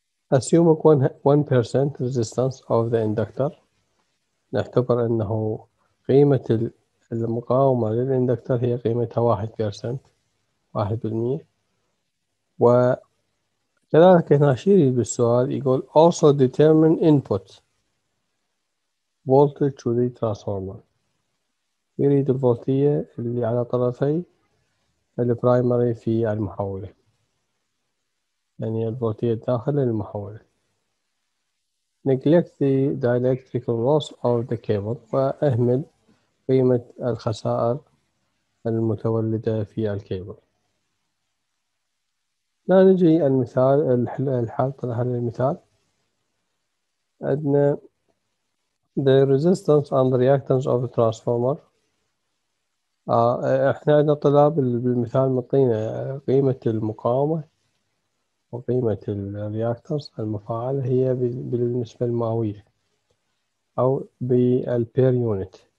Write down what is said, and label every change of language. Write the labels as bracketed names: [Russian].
[English] Assume 1% resistance of the inductor. [Arabic] نعتبر أنه قيمة المقاومة للإندكتر هي قيمتها 1%، 1%. وكذلك هنا شيري بالسؤال يقول [English] also determine input voltage to the transformer. [Arabic] يريد الفولتية اللي على طرفي البرايمري في المحولة، يعني الفولتية داخل المحول. [English] Neglect the dielectrical loss of the cable، [Arabic] وأهمل قيمة الخسائر المتولدة في الكيبل. لا نجي المثال الحال طلع المثال عندنا [English] the resistance and reactance of the transformer. [Arabic] احنا عندنا طلاب بالمثال مطينا قيمة المقاومة وقيمة الرياكتورز المفاعل هي بالنسبة المئوية أو بالبير يونت.